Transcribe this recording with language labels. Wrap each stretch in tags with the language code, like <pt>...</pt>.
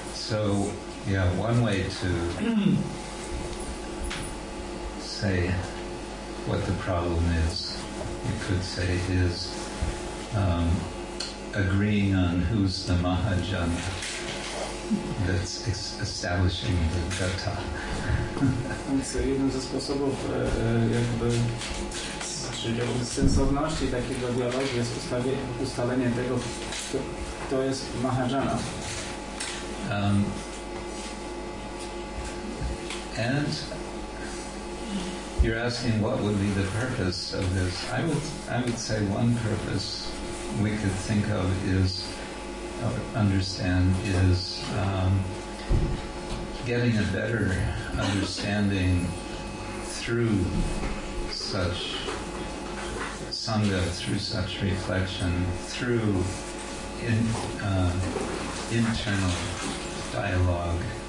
<en>So, yeah, one way to say what the problem is, you could say, is agreeing on who's the mahajana. that's establishing the gata.</en> <pl>Więc jeden ze sposobów jakby sensowności takiego dialogu jest ustalenie tego, kto jest Mahajana.</pl> <en>And you're asking what would be the purpose of this. I would say one purpose we could think of is, or understand, is getting a better understanding through such sangha, through such reflection, through internal dialogue.</en>